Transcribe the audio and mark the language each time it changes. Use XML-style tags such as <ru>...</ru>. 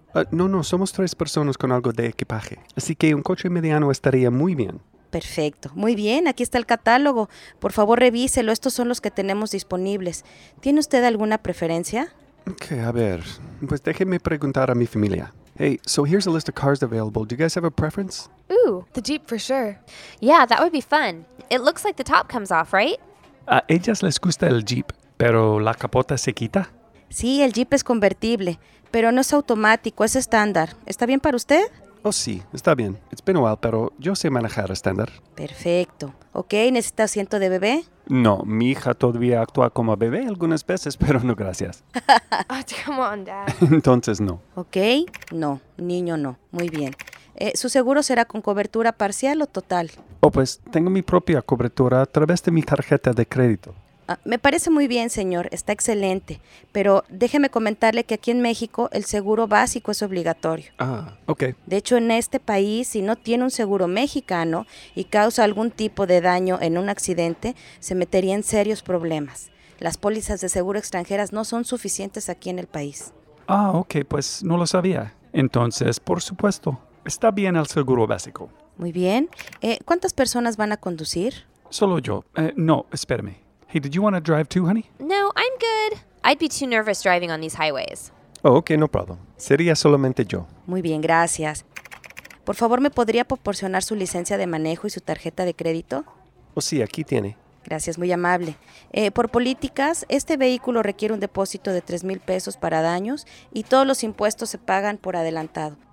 <es>No, somos 3 personas con algo de equipaje. Así que un coche mediano estaría muy bien. Perfecto. Muy bien, aquí está el catálogo. Por favor, revíselo. Estos son los que tenemos disponibles. ¿Tiene usted alguna preferencia? Ok, a ver. Pues déjeme preguntar a mi familia.</es> <en>Hey, so here's a list of cars available. Do you guys have a preference? Ooh, the Jeep for sure. Yeah, that would be fun. It looks like the top comes off, right?</en> <es>A ellas les gusta el Jeep, pero ¿la capota se quita? Sí, el Jeep es convertible, pero no es automático, es estándar. ¿Está bien para usted? Oh, sí, está bien.</es> <en>It's been a while,</en> <es>pero yo sé manejar estándar. Perfecto. Ok, ¿necesita asiento de bebé? No, mi hija todavía actúa como bebé algunas veces, pero no, gracias.</es> <en>Oh, come on, Dad.</en> <es>Entonces, no. Ok, no, niño no. Muy bien. ¿Su seguro será con cobertura parcial o total? Oh, pues, tengo mi propia cobertura a través de mi tarjeta de crédito. Me parece muy bien, señor. Está excelente. Pero déjeme comentarle que aquí en México el seguro básico es obligatorio. Ah, ok. De hecho, en este país, si no tiene un seguro mexicano y causa algún tipo de daño en un accidente, se metería en serios problemas. Las pólizas de seguro extranjeras no son suficientes aquí en el país. Ah, ok. Pues no lo sabía. Entonces, por supuesto, está bien el seguro básico. Muy bien. ¿Cuántas personas van a conducir? Solo yo. No, espéreme.</es> <en>Hey, did you want to drive too, honey? No, I'm good. I'd be too nervous driving on these highways. Oh, okay, no problem.</en> <es>Sería solamente yo. Muy bien, gracias. Por favor, ¿me podría proporcionar su licencia de manejo y su tarjeta de crédito? Oh, sí, aquí tiene. Gracias, muy amable. Por políticas, este vehículo requiere un depósito de $3,000 para daños y todos los impuestos se pagan por adelantado.</es>